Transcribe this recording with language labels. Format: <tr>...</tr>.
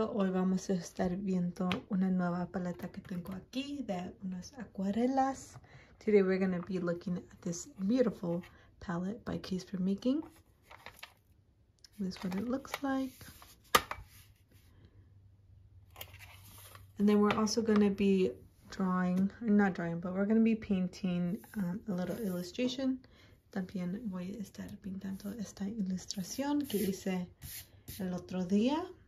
<es>Hoy vamos a estar viendo una nueva paleta que tengo aquí de unas acuarelas.</es> <en>Today we're going to be looking at this beautiful palette by Case for Making. This is what it looks like. And then we're also going to be drawing, not drawing, but we're going to be painting a little illustration.</en> <es>También voy a estar pintando esta ilustración que hice el otro día.</es>